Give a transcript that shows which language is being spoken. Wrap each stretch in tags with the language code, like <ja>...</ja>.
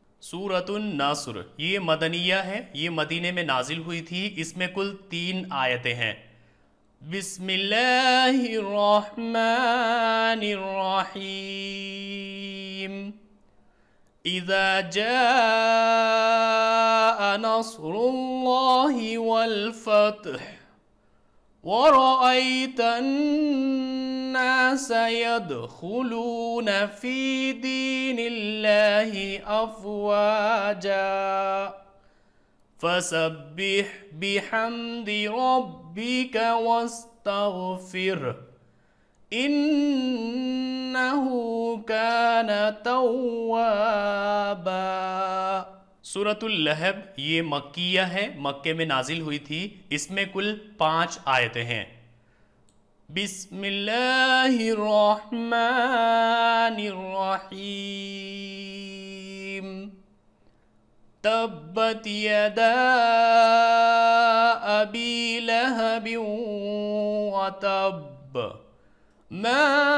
<ur>سورة الناصر یہ مدنیہ ہے، یہ مدینے میں نازل ہوئی تھی، اس میں کل تین آیتیں ہیں.</ur> <ar>بسم اللہ الرحمن الرحیم اذا جاء نصر اللہ والفتح ورأيت الناس يدخلون في دين الله أفواجا فسبح بحمد ربك واستغفر إنه كان توابا.</ar> <ur>سورة اللہب یہ مکیہ ہے، مکہ میں نازل ہوئی تھی، اس میں کل پانچ آیتیں ہیں.</ur> <ar>بسم اللہ الرحمن الرحیم تبت یدا ابی لہب وتب ما</ar>